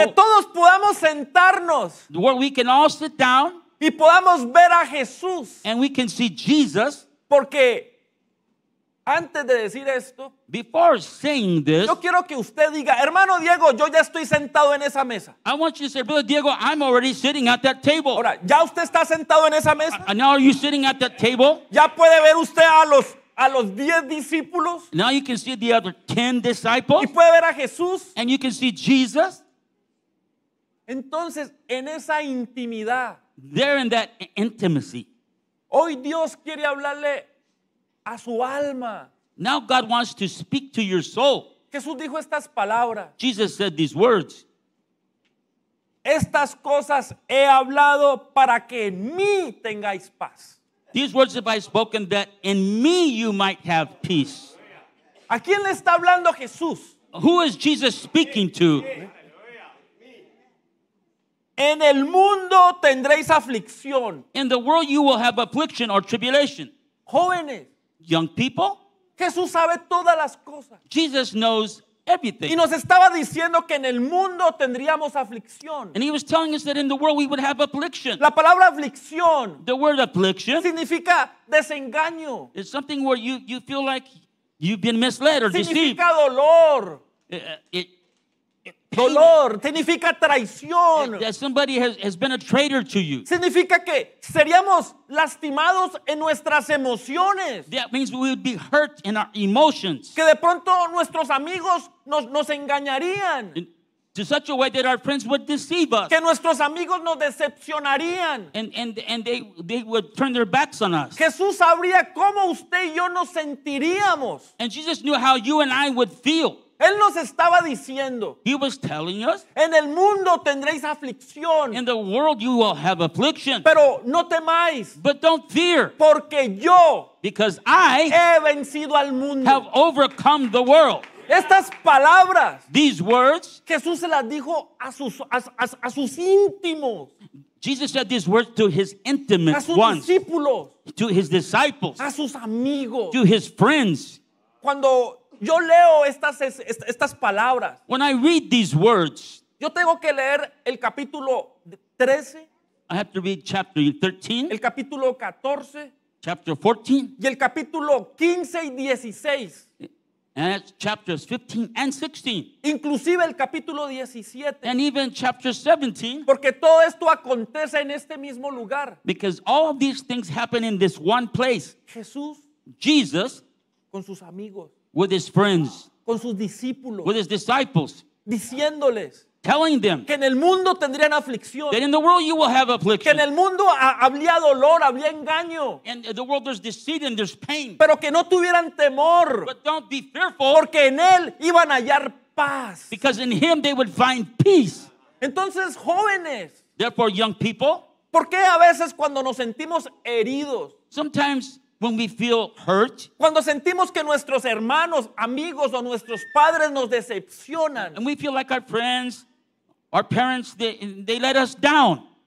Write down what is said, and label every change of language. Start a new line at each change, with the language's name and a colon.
Spanish: Donde todos podamos sentarnos.
English: Where we can all sit down.
Spanish: Y podamos ver a Jesús.
English: And we can see Jesus.
Spanish: Porque antes de decir esto.
English: Before saying this.
Spanish: Yo quiero que usted diga, hermano Diego, yo ya estoy sentado en esa mesa.
English: I want you to say, brother Diego, I'm already sitting at that table.
Spanish: Ahora, ¿ya usted está sentado en esa mesa?
English: Now are you sitting at that table?
Spanish: ¿Ya puede ver usted a los 10 discípulos?
English: Now you can see the other 10 disciples.
Spanish: Y puede ver a Jesús.
English: And you can see Jesus.
Spanish: Entonces, en esa intimidad.
English: There in that intimacy.
Spanish: Hoy Dios quiere hablarle a su alma.
English: Now God wants to speak to your soul.
Spanish: Jesús dijo estas palabras.
English: Jesus said these words.
Spanish: Estas cosas he hablado para que en mí tengáis paz.
English: These words have I spoken that in me you might have peace.
Spanish: ¿A quién le está hablando Jesús?
English: Who is Jesus speaking to?
Spanish: En el mundo tendréis aflicción.
English: In the world you will have affliction or tribulation.
Spanish: Jóvenes.
English: Young people.
Spanish: Jesús sabe todas las cosas.
English: Jesus knows everything.
Spanish: Y nos estaba diciendo que en el mundo tendríamos aflicción.
English: And he was telling us that in the world we would have affliction.
Spanish: La palabra aflicción.
English: The word affliction.
Spanish: Significa desengaño.
English: It's something where you feel like you've been misled or
Spanish: significa
English: deceived.
Spanish: Significa dolor.
English: It
Spanish: Dolor significa traición.
English: That somebody has been a traitor to you.
Spanish: Significa que seríamos lastimados en nuestras emociones.
English: That means we would be hurt in our emotions.
Spanish: Que de pronto nuestros amigos nos engañarían.
English: To such a way that our friends would deceive us.
Spanish: Que nuestros amigos nos decepcionarían.
English: And they would turn their backs on us.
Spanish: Jesús sabría cómo usted y yo nos sentiríamos.
English: And Jesus knew how you and I would feel.
Spanish: Él nos estaba diciendo,
English: he was telling us,
Spanish: en el mundo tendréis aflicción.
English: In the world you will have affliction.
Spanish: Pero no temáis.
English: But don't fear.
Spanish: Porque yo,
English: because I,
Spanish: he vencido al mundo.
English: Have overcome the world.
Spanish: Estas palabras,
English: these words,
Spanish: Jesús se las dijo a sus íntimos.
English: Jesus said these words to his intimate ones.
Spanish: A sus discípulos.
English: To his disciples.
Spanish: A sus amigos.
English: To his friends.
Spanish: Cuando yo leo estas palabras.
English: When I read these words,
Spanish: yo tengo que leer el capítulo 13.
English: I have to read chapter 13.
Spanish: El capítulo 14.
English: Chapter 14.
Spanish: Y el capítulo 15 y 16.
English: And that's chapters 15 and 16.
Spanish: Inclusive el capítulo 17.
English: And even chapter 17.
Spanish: Porque todo esto acontece en este mismo lugar.
English: Because all of these things happen in this one place.
Spanish: Jesús.
English: Jesus.
Spanish: Con sus amigos.
English: With his friends.
Spanish: Con sus discípulos.
English: With his disciples.
Spanish: Diciéndoles.
English: Telling them.
Spanish: Que en el mundo tendrían aflicción.
English: That in the world you will have affliction.
Spanish: Que en el mundo habría dolor, habría engaño.
English: And in the world there's deceit and there's pain.
Spanish: Pero que no tuvieran temor.
English: But don't be fearful.
Spanish: Porque en él iban a hallar paz.
English: Because in him they would find peace.
Spanish: Entonces, jóvenes.
English: Therefore, young people.
Spanish: ¿Por qué a veces cuando nos sentimos heridos?
English: Sometimes when we feel hurt,
Spanish: cuando sentimos que nuestros hermanos, amigos o nuestros padres nos decepcionan,
English: and we feel like our friends, our parents, they let us down,